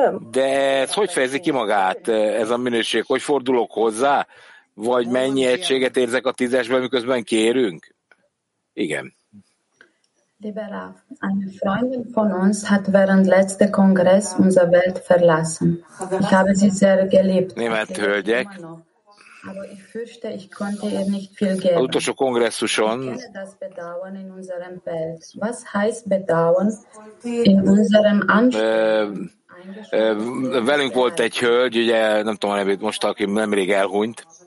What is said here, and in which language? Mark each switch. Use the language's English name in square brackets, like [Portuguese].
[Hungarian] De ez hogy fejezi ki magát ez a minőség? Hogy fordulok hozzá? Vagy mennyi egységet érzek a tízesben, miközben kérünk? Igen. [German] Lieber Rav, eine Freundin von uns hat während letzter Kongress unser Welt verlassen. Ich habe sie sehr geliebt. [Hungarian] Német hölgyek. [German] Aber ich fürchte, ich konnte ihr nicht viel geben. [Hungarian] Az utolsó kongresszuson. [German] Das Bedauern in unserem Welt. Was heißt Bedauern in unserem Anspruch? [Hungarian] Velünk volt egy hölgy, ugye, nem tudom a nevét most, aki nemrég elhunyt.